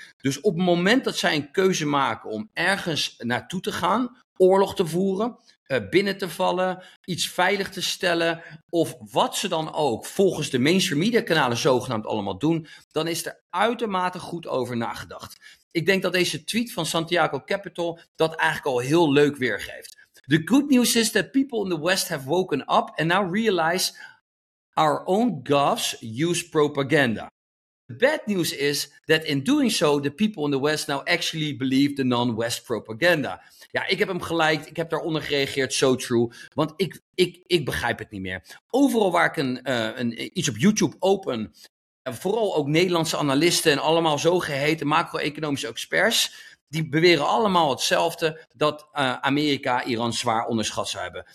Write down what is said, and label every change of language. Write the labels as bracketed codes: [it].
[nl] Dus op het moment dat zij een keuze maken om ergens naartoe te gaan, oorlog te voeren, binnen te vallen, iets veilig te stellen, of wat ze dan ook volgens de mainstream media kanalen zogenaamd allemaal doen, dan is er uitermate goed over nagedacht. Ik denk dat deze tweet van Santiago Capital dat eigenlijk al heel leuk weergeeft. [en] The good news is that people in the West have woken up and now realize our own govs use propaganda. The bad news is that in doing so, the people in the West now actually believe the non-West propaganda. [nl] Ja, ik heb hem geliked, ik heb daaronder gereageerd, [en] so true, [nl] want ik begrijp het niet meer. Overal waar ik iets op YouTube open, vooral ook Nederlandse analisten en allemaal zogeheten macro-economische experts, die beweren allemaal hetzelfde, dat Amerika Iran zwaar onderschat zou hebben.